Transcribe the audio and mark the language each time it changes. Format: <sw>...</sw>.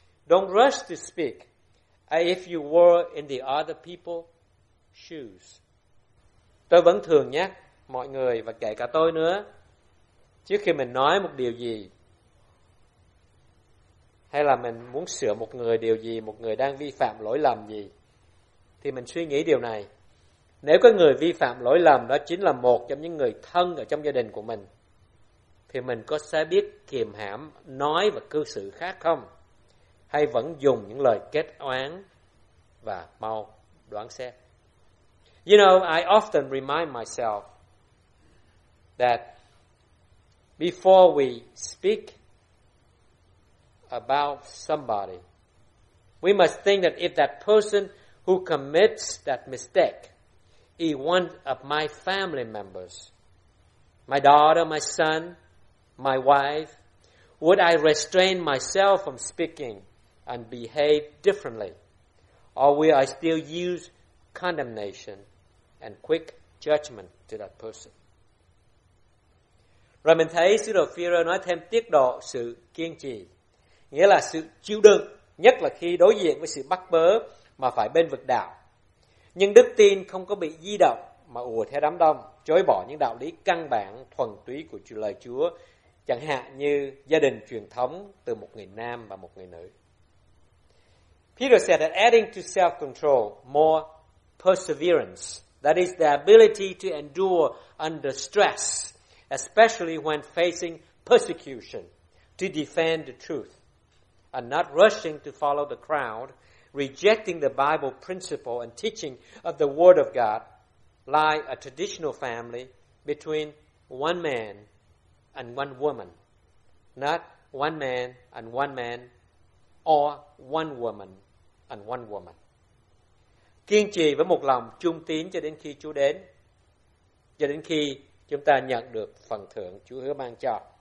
<en>Don't rush to speak as if you were in the other people's shoes.</en> <vi>Tôi vẫn thường nhắc mọi người và kể cả tôi nữa, trước khi mình nói một điều gì hay là mình muốn sửa một người điều gì, một người đang vi phạm lỗi lầm gì, thì mình suy nghĩ điều này: nếu có người vi phạm lỗi lầm đó chính là một trong những người thân ở trong gia đình của mình, thì mình có sẽ biết kiềm hãm nói và cư xử khác không, hay vẫn dùng những lời kết oán và mau đoán xét?</vi> <en>You know, I often remind myself that before we speak about somebody, we must think that if that person who commits that mistake is one of my family members, my daughter, my son, my wife, would I restrain myself from speaking and behave differently? Or will I still use condemnation and quick judgment to that person?</en> <vi>Rồi mình thấy sứ đồ Phi-rơ nói thêm tiết độ, sự kiên trì, nghĩa là sự chịu đựng, nhất là khi đối diện với sự bắt bớ mà phải bên vực đạo. Nhưng đức tin không có bị di động mà ùa theo đám đông, chối bỏ những đạo lý căn bản thuần túy của lời Chúa, chẳng hạn như gia đình truyền thống từ một người nam và một người nữ.</vi> <en>Peter said that adding to self-control more perseverance, that is the ability to endure under stress, especially when facing persecution, to defend the truth, and not rushing to follow the crowd, rejecting the Bible principle and teaching of the Word of God, like a traditional family between one man and one woman, not one man and one man, or one woman and one woman.</en> <vi>kiên trì với một lòng trung tín cho đến khi Chúa đến, cho đến khi chúng ta nhận được phần thưởng Chúa hứa ban cho.</vi>